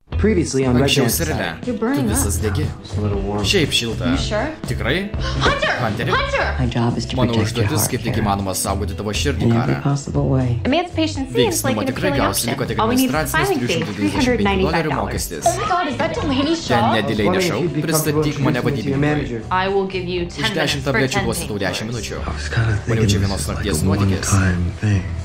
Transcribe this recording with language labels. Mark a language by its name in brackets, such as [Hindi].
[English] Previously on Red Dance. You're burning up. It's a little warm. [Lithuanian] Šiaip šilta. [English] You sure? [Lithuanian] Tikrai? [English] Hunter! My job is to protect your heart. [Lithuanian] Kaip tik įmanoma saugoti tavo širdį, Kara. [English] Emancipation seems like an appealing option. All we need is a filing fee, $395. Oh my god, is that Delaney Shaw? I was wondering if you'd be comfortable with me to your manager. I will give you 10 minutes for 10 pages. I was kind of thinking this like a one-time thing.